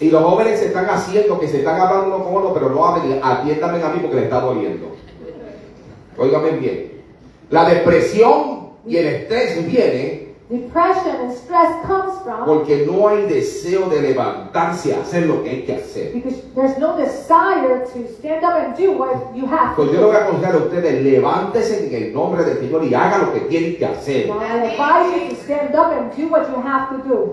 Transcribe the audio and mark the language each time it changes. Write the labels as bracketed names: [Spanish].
[Spanish] Y los jóvenes se están haciendo que se están hablando uno con otro, pero no hablen. Atiéndame a mí porque le está doliendo. Óigame bien. La depresión y el estrés viene. [English] Depression and stress comes from [Spanish] porque no hay deseo de levantarse a hacer lo que hay que hacer. [English] Because there's no desire to stand up and do what you have to. [Spanish] Pues yo le voy a aconsejar a ustedes, levántese en el nombre del Señor y haga lo que tiene que hacer. [English] I advise you to stand up and do what you have to do.